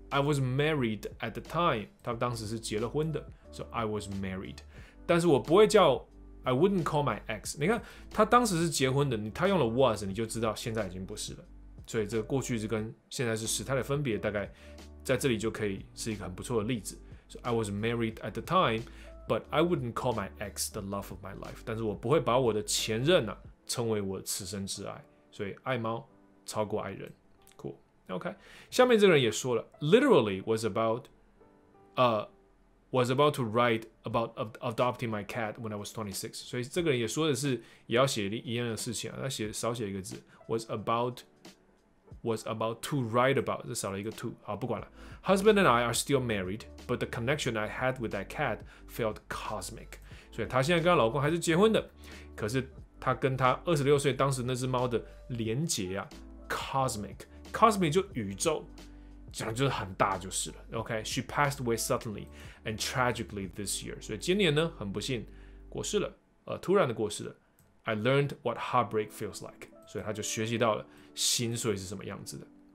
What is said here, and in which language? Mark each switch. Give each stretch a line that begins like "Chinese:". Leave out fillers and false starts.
English: I was married at the time，
Chinese: 他当时是结了婚的
English: ，so I was married。
Chinese: 但是我不会叫
English: ，I wouldn't call my ex。
Chinese: 你看，他当时是结婚的，他用了 was， 你就知道现在已经不是了。所以这个过去式跟现在是时态的分别，大概在这里就可以是一个很不错的例子。
English: So I was married at the time， but I wouldn't call my ex the love of my life。
Chinese: 但是我不会把我的前任啊称为我此生挚爱，所以爱猫。超过爱人 ，cool， OK。下面这个人也说了
English: ，literally was about to write about adopting my cat when I was 26。
Chinese: 所以这个人也说的是，也要写一样的事情啊。他写少写一个字 ，
English: was about to write about，
Chinese: 这少了一个 to。好，不管了。
English: Husband and I are still married, but the connection I had with that cat felt cosmic。
Chinese: 所以他现在跟他老公还是结婚的，可是他跟他26岁当时那只猫的连结啊。 Cosmic 就宇宙，讲就是很大就是了。
English: OK， she passed away suddenly and tragically this year，
Chinese: 所以今年呢很不幸过世了，突然的过世了。
English: I learned what heartbreak feels like，
Chinese: 所以他就学习到了心碎是什么样子的。